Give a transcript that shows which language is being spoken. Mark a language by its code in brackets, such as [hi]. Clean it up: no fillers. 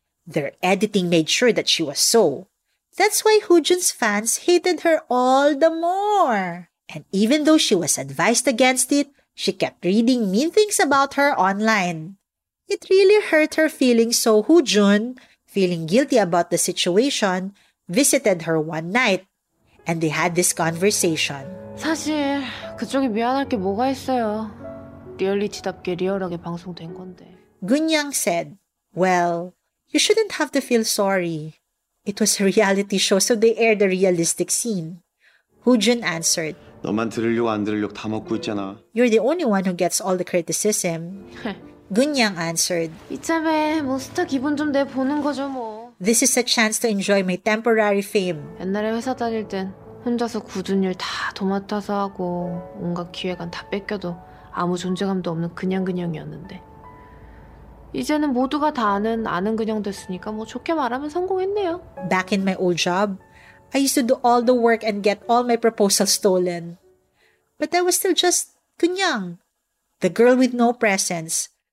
[en] Their editing made sure that she was so. That's why Hu Jun's fans hated her all the more. And even though she was advised against it, she kept reading mean things about her online. It really hurt her feelings, so Hu Jun, feeling guilty about the situation, visited her one night. And they had this conversation. [ko] 사실 그쪽이 미안할 게 뭐가 있어요. 리얼리티답게 리얼하게 방송된 건데. [en] Kunyang said, "Well, you shouldn't have to feel sorry. It was a reality show, so they aired a realistic scene." Hu Jun answered, [ko] "너만 들으려고 안 들으려고 다 먹고 있잖아. [en] You're the only one who gets all the criticism." Kunyang answered, [ko] "이참에 뭐 스타 기분 좀 내 보는 거죠 뭐." [en] This is a chance to enjoy my temporary fame. [ko] 옛날에 회사 다닐 땐 혼자서 굳은 일 다 도맡아서 하고 온갖 기획안 다 뺏겨도 아무 존재감도 없는 그냥그냥이었는데 이제는 모두가 다 아는 그냥 됐으니까 뭐 좋게 말하면 성공했네요. [en] Back in my old job, I used to do all the work and get all my proposals stolen. But I was still just 그냥, the girl with no presence.